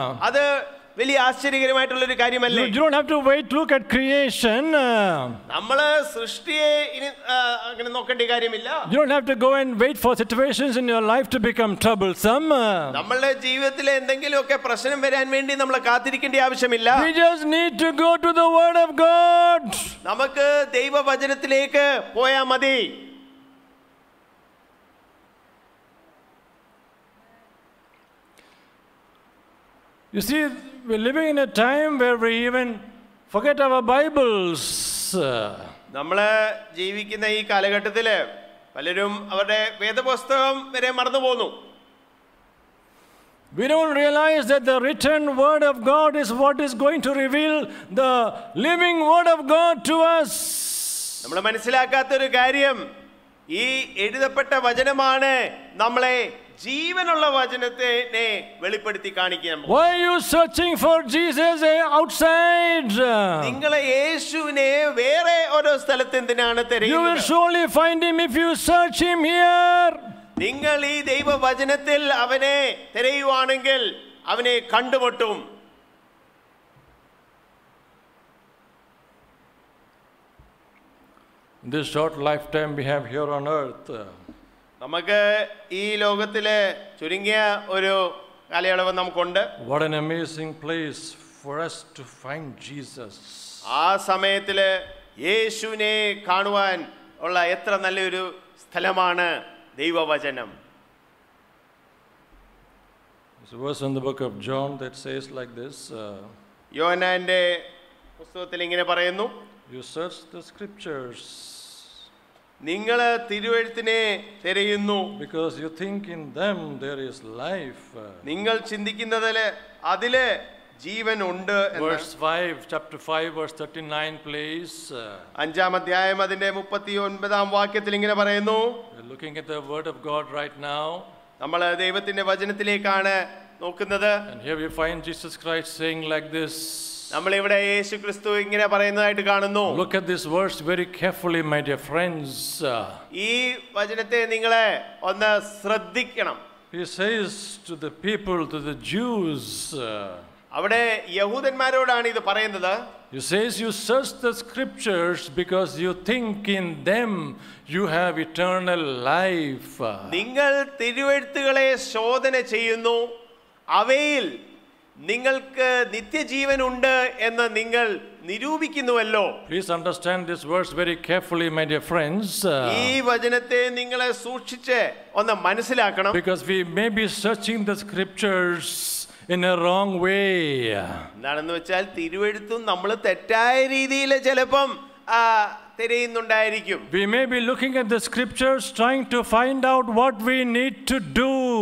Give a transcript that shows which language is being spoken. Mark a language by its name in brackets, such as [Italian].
[Malayalam] അത് വലിയ ആശ്ചര്യകരമായിട്ടുള്ള ഒരു കാര്യമല്ലേ? [English] You don't have to wait to look at creation. [Malayalam] നമ്മൾ സൃഷ്ടിയെ ഇനി അങ്ങനെ നോക്കേണ്ട കാര്യമില്ല. [English] You don't have to go and wait for situations in your life to become troublesome. [Malayalam] നമ്മളുടെ ജീവിതത്തിലെ എന്തെങ്കിലുമൊക്കെ പ്രശ്നം വരാൻ വേണ്ടി നമ്മൾ കാത്തിരിക്കേണ്ട ആവശ്യമില്ല. [English] We just need to go to the word of God. [Malayalam] നമുക്ക് ദൈവവചനത്തിലേക്ക് പോയാൽ മതി. [English] You see, we're living in a time where we even forget our Bibles. [Malayalam] നമ്മളെ ജീവിക്കുന്ന ഈ കാലഘട്ടത്തിലെ പലരും അവരുടെ വേദപുസ്തകം വരെ മറന്നു പോകുന്നു. [English] We don't realize that the written word of God is what is going to reveal the living word of God to us. [Malayalam] നമ്മൾ മനസ്സിലാക്കാത്ത ഒരു കാര്യം, ഈ എഴുതപ്പെട്ട വചനമാണ് നമ്മളെ ജീവനുള്ള വചനത്തെ വെളിപ്പെടുത്തി കാണിക്കുക. [English] Why are you searching for Jesus outside? [Malayalam] നിങ്ങളെ യേശുവിനെ വേറെ ഓരോ സ്ഥലത്ത് എന്തിനാണ് തിരയുന്നത്? [English] You will surely find him if you search him here. [Malayalam] നിങ്ങൾ ഈ ദൈവവചനത്തിൽ അവനെ തിരയുവാണെങ്കിൽ അവനെ കണ്ടുമുട്ടും. [English] This short lifetime we have here on earth, [Malayalam] നമുക്ക് ഈ ലോകത്തിലെ ചുരുങ്ങിയ ഒരു കാലയളവ് നമുക്കുണ്ട്. [English] What an amazing place for us to find Jesus. [Malayalam] ആ സമയത്തിലെ യേശുവിനെ കാണുവാൻ ഉള്ള എത്ര നല്ലൊരു സ്ഥലമാണ് ദൈവവചനം. [English] There's a verse in the book of John that says like this. [Malayalam] യോഹന്നാന്റെ പുസ്തകത്തിൽ ഇങ്ങനെ പറയുന്നു. [English] You search the scriptures. [Malayalam] നിങ്ങൾ തിരുവെഴുത്തിനെ തിരയുന്നു. [English] Because you think in them there is life. [Malayalam] നിങ്ങൾ ചിന്തിക്കുന്നതിലെ അതില് ജീവൻ ഉണ്ട് എന്ന്. [English] Verse 5, chapter 5, verse 39, please. [Malayalam] അഞ്ചാം അധ്യായം അതിന്റെ 39-ാം വാക്യത്തിൽ ഇങ്ങനെ പറയുന്നു. [English] Looking at the word of God right now. [Malayalam] നമ്മൾ ദൈവത്തിന്റെ വചനത്തിലേക്കാണ് നോക്കുന്നത്. [English] And here we find Jesus Christ saying like this. [Malayalam] നമ്മൾ ഇവിടെ യേശുക്രിസ്തു ഇങ്ങനെ പറയുന്നതായിട്ട് കാണുന്നു. [English] Look at this verse very carefully, my dear friends. [Malayalam] ഈ വചനത്തെ നിങ്ങളെ ഒന്ന് ശ്രദ്ധിക്കണം. [English] He says to the people, to the Jews. [Malayalam] അവിടെ യഹൂദന്മാരോടാണ് ഇത് പറയുന്നത്. [English] He says you search the scriptures because you think in them you have eternal life. [Malayalam] നിങ്ങൾ തിരുവെഴുത്തുകളെ ശോധന ചെയ്യുന്നു, അവയിൽ നിങ്ങൾക്ക് നിത്യജീവൻ ഉണ്ട് എന്ന് നിങ്ങൾ നിരൂപിക്കുന്നുവല്ലോ. [English] Please understand this verse very carefully, my dear friends. [Malayalam] ഈ വചനത്തെ നിങ്ങളെ സൂക്ഷിച്ച് ഒന്ന് മനസ്സിലാക്കണം. [English] Because we may be searching the scriptures in a wrong way. [Malayalam] നടന്നു വെച്ചാൽ തിരുവെഴുത്തും നമ്മൾ തെറ്റായ രീതിയിൽ ചിലപ്പം തിരയുന്നുണ്ടായിരിക്കും. [English] We may be looking at the scriptures trying to find out what we need to do.